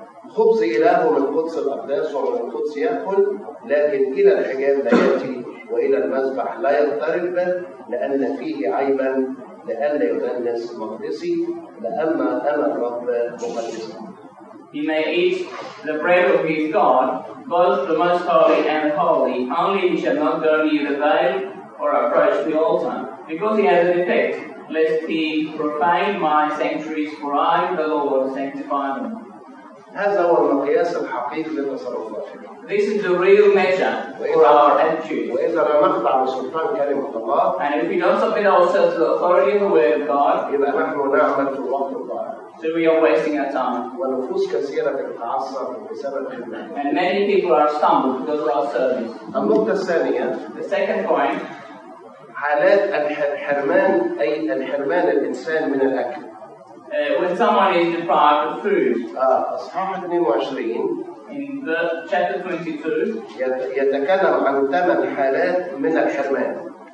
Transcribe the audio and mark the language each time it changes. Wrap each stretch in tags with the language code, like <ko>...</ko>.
<ar>خبز إله القدس الأقداس وروح القدس يأكل، لكن إلى الحجاب لا يأتي وإلى المذبح لا يقترب، لأن فيه عيبا، لأن يدنس مقدسي، لأما أنا الرب مقدس.</ar> <en>He may eat the bread of his God, both the most holy and holy. Only he shall not go near the veil or approach the altar, because he has an effect, lest he profane my sanctuaries, for I, the Lord, sanctify them.</en> <ar>هذا هو المقياس الحقيقي للتصرفات.</ar> <en>This is the real measure for our attitude.</en> <ar>وإذا لم نخضع لسلطان كلمة الله.</ar> <en>And if we don't submit ourselves to the authority of the word of God.</en> <ar>إذا نحن نعمل في الوقت الضائع.</ar> <en>So we are wasting our time.</en> <ar>ونفوس كثيرة تتعصب بسبب خدمتنا.</ar> <en>And many people are stumbled because of our service.</en> <ar>النقطة الثانية.</ar> <en>The second point.</en> <ar>حالات الحرمان أي الحرمان الإنسان من الأكل.</ar> <en>When someone is deprived of food.</en> <ar>أصحاح 22.</ar> <en>In the chapter 22.</en> <ar>يتكلم عن 8 حالات من الحرمان.</ar>